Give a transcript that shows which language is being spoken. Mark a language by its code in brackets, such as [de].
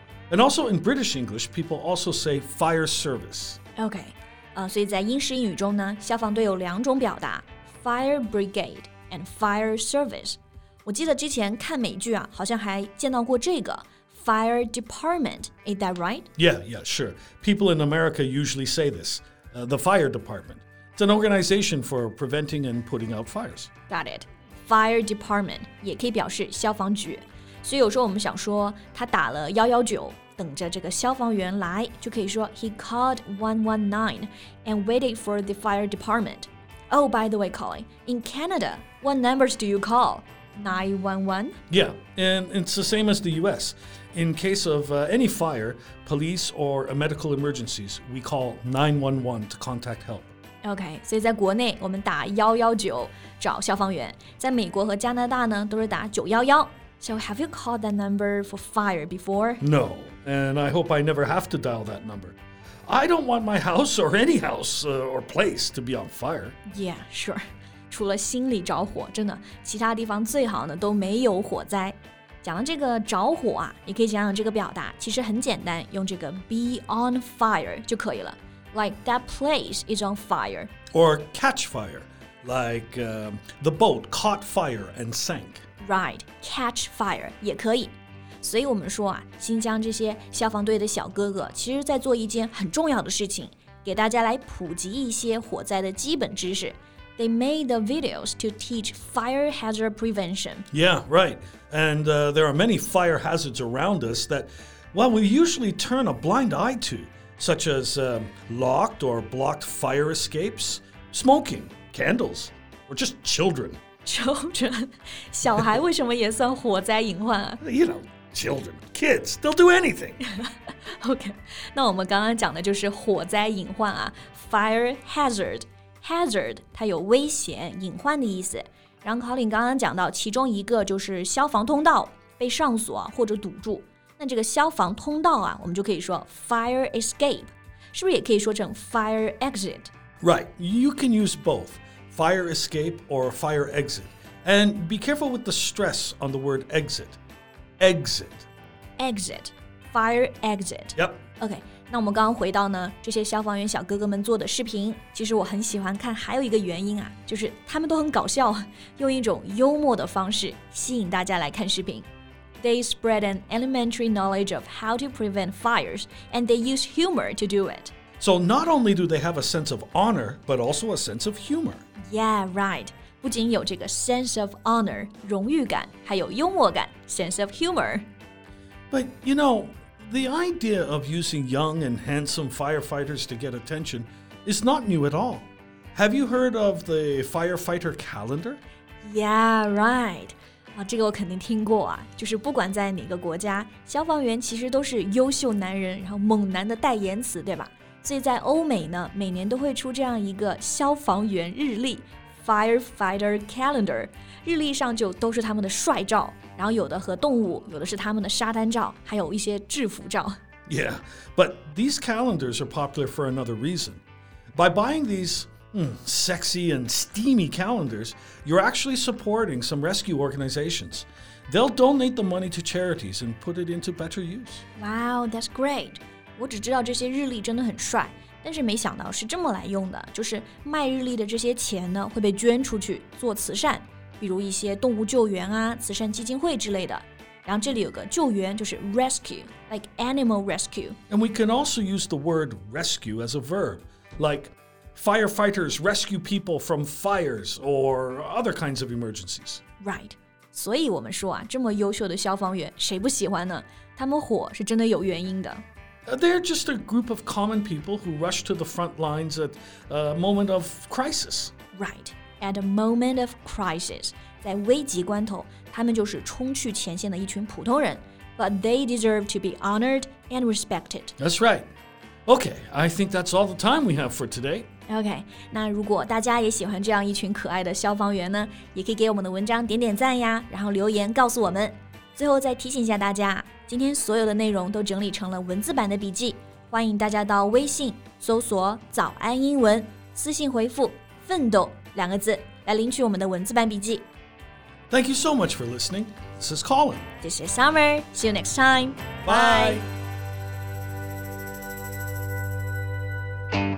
[en] And also in British English, people also say fire service. [zh] Okay, 所以在英式英语中呢，消防队有两种表达 ，fire brigade [en] and fire service. [zh] 我记得之前看美剧啊，好像还见到过这个 fire department. [en] Is that right? Yeah, sure. People in America usually say this, the fire department. It's an organization for preventing and putting out fires. Got it. [zh] Fire department 也可以表示消防局。所以有时候我们想说他打了119等着这个消防员来就可以说 [en] He called 119 and waited for the fire department. Oh, by the way, Colin, in Canada, what numbers do you call? 911? Yeah, and it's the same as the US. In case of any fire, police or medical emergencies, we call 911 to contact help. [zh] Okay, 所以在国内我们打119找消防员。在美国和加拿大呢都是打911。 [en] So have you called that number for fire before? No, and I hope I never have to dial that number. I don't want my house or any house or place to be on fire. Yeah, sure. [zh] 除了心里着火，真的，其他地方最好呢都没有火灾。讲到这个着火啊，也可以讲讲这个表达，其实很简单，用这个 be on fire 就可以了。 [en] Like that place is on fire. Or catch fire, like the boat caught fire and sank. Right, catch fire, [zh] 也可以。所以我们说啊，新疆这些消防队的小哥哥其实在做一件很重要的事情，给大家来普及一些火灾的基本知识。 [en] They made the videos to teach fire hazard prevention. Yeah, right. And there are many fire hazards around us that, well, we usually turn a blind eye to, such as locked or blocked fire escapes, smoking, candles, or just children. [zh] Children, 小孩为什么也算火灾隐患啊? [en] You know, children, kids, they'll do anything. [zh] Okay, 那我们刚刚讲的就是火灾隐患啊, fire hazard. Hazard, 它有危险、隐患的意思。然后 Colin 刚刚讲到其中一个就是消防通道被上锁或者堵住。那这个消防通道啊,我们就可以说 fire escape, 是不是也可以说成 fire exit? [en] Right, you can use both. Fire escape or fire exit. And be careful with the stress on the word exit. Exit. Exit. Fire exit. Yep. [zh] Okay, 那我们刚刚回到呢这些消防员小哥哥们做的视频。其实我很喜欢看还有一个原因啊就是他们都很搞笑用一种幽默的方式吸引大家来看视频。 [en] They spread an elementary knowledge of how to prevent fires and they use humor to do it. So not only do they have a sense of honor, but also a sense of humor. Yeah, right. [zh] 不仅有这个 sense of honor, 荣誉感,还有幽默感, sense of humor. [en] But, you know, the idea of using young and handsome firefighters to get attention is not new at all. Have you heard of the firefighter calendar? Yeah, right. [zh] 这个我肯定听过啊，就是不管在哪个国家，消防员其实都是优秀男人，然后猛男的代言词，对吧？所以在欧美呢，每年都会出这样一个消防员日历 Firefighter Calendar 日历上就都是他们的帅照然后有的和动物有的是他们的沙滩照还有一些制服照 [en] Yeah, but these calendars are popular for another reason By buying these sexy and steamy calendars You're actually supporting some rescue organizations They'll donate the money to charities and put it into better use Wow, that's great! [zh] 我只知道这些日历真的很帅，但是没想到是这么来用的，就是卖日历的这些钱呢，会被捐出去做慈善，比如一些动物救援啊，慈善基金会之类的。然后这里有个救援，就是 rescue, [en] like animal rescue. And we can also use the word rescue as a verb, like firefighters rescue people from fires or other kinds of emergencies. Right. [zh] 所以我们说啊，这么优秀的消防员，谁不喜欢呢？他们火是真的有原因的。 [en] They're just a group of common people who rush to the front lines at a moment of crisis. Right, at a moment of crisis. [zh] 在危急关头，他们就是冲去前线的一群普通人。 [en] But they deserve to be honored and respected. That's right. Okay, I think that's all the time we have for today. [zh] Okay, 那如果大家也喜欢这样一群可爱的消防员呢，也可以给我们的文章点点赞呀，然后留言告诉我们。最后再提醒一下大家今天所有的内容都整理成了文字版的笔记，欢迎大家到微信搜索“早安英文”，私信回复“奋斗”两个字来领取我们的文字版笔记。 [en] Thank you so much for listening. This is Colin. This is Summer. See you next time. Bye. This podcast is from Morning English.